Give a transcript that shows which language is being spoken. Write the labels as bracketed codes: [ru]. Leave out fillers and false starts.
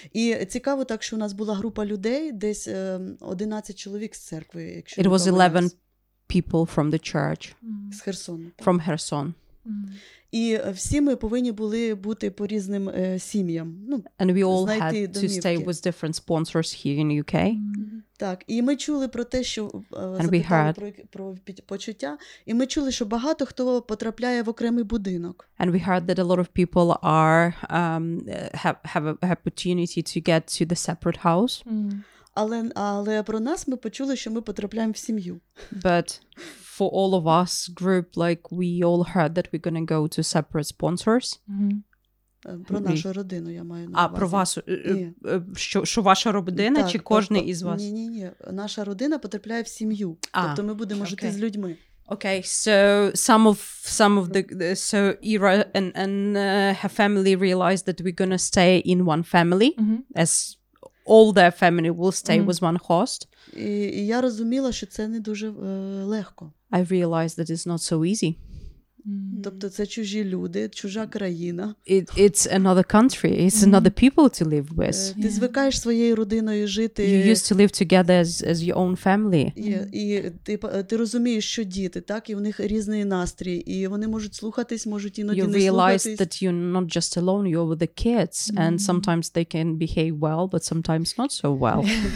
[uk] І цікаво так, що у нас була група людей, десь 11 чоловік з церкви, якщо [en] It was 11 people from the church. [uk] З Херсону. [en] From Kherson. [uk] І всі ми повинні були бути по різним сім'ям. Ну, [en] And we all had [uk] домівки. [en] To stay with different sponsors here in UK. [uk] Так. І ми чули про те, що запитали про почуття. І ми чули, що багато хто потрапляє в окремий будинок. [en] And we heard that a lot of people are have opportunity to get to the separate house. [uk] Але про нас ми почули, що ми потрапляємо в сім'ю. [en] But for all of us group, like we all heard that we're going to go to separate sponsors. Mm-hmm. [uk] Про нашу родину я маю на увазі. А про вас, що ваша родина чи кожний із вас? Ні, наша родина потрапляє в сім'ю. Тобто ми будемо жити з людьми. [en] Okay, so some of the so Ira and her family realized that we're going to stay in one family as all their family will stay with one host. [uk] І я розуміла, що це не дуже легко. [en] I realized that it's not so easy. [uk] Тобто це чужі люди, чужа країна. [en] It's another country, it's another people to live with. [uk] Ти звикаєш своєю родиною жити. [en] You used to live together as your own family. [uk] І ти розумієш, що діти, так, і у них різний настрій, і вони можуть слухатись, можуть іноді не слухатись. [en] You realize that you're not just alone, you're with the kids, and sometimes they can behave well, but sometimes not so well.